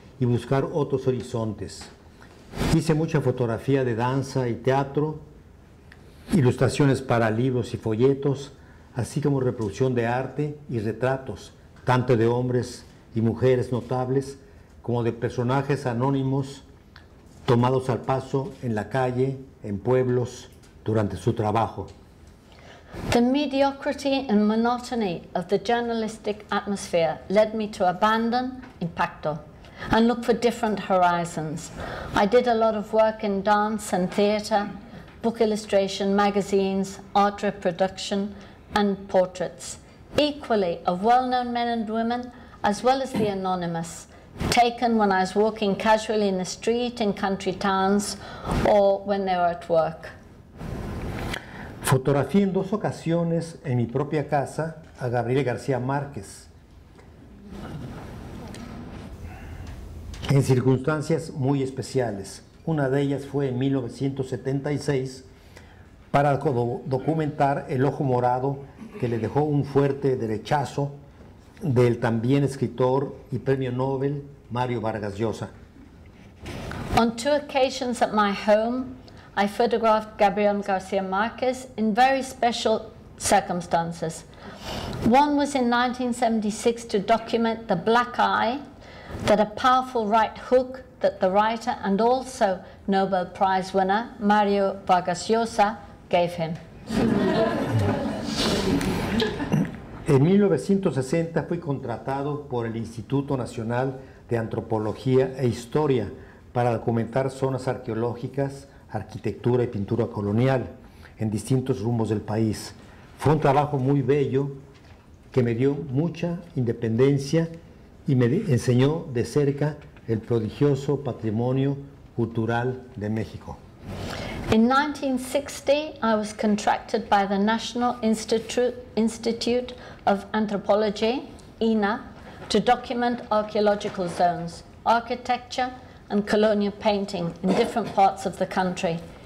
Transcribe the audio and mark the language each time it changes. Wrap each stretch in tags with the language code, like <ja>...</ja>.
<es>y buscar otros horizontes. Hice mucha fotografía de danza y teatro, ilustraciones para libros y folletos, así como reproducción de arte y retratos, tanto de hombres y mujeres notables, como de personajes anónimos tomados al paso en la calle, en pueblos, durante su trabajo.</es> <en>The mediocrity and monotony of the journalistic atmosphere led me to abandon Impacto and look for different horizons. I did a lot of work in dance and theater, book illustration, magazines, art reproduction, and portraits, equally of well-known men and women, as well as the anonymous, taken when I was walking casually in the street, in country towns, or when they were at work.</en> <es>Fotografié en dos ocasiones en mi propia casa a Gabriel García Márquez, en circunstancias muy especiales. Una de ellas fue en 1976 para documentar el ojo morado que le dejó un fuerte derechazo del también escritor y premio Nobel Mario Vargas Llosa.</es> <en>On two occasions at my home, I photographed Gabriel García Márquez in very special circumstances. One was in 1976 to document the black eye that a powerful right hook that the writer and also Nobel Prize winner Mario Vargas Llosa gave him.</en> <es>En 1960 fui contratado por el Instituto Nacional de Antropología e Historia para documentar zonas arqueológicas, arquitectura y pintura colonial en distintos rumbos del país. Fue un trabajo muy bello que me dio mucha independencia y me enseñó de cerca el prodigioso patrimonio cultural de México.</es> <en>In 1960, I was contracted by the National Institute of Anthropology, INA, to document archaeological zones, architecture, and colonial painting in different parts of the country.</en>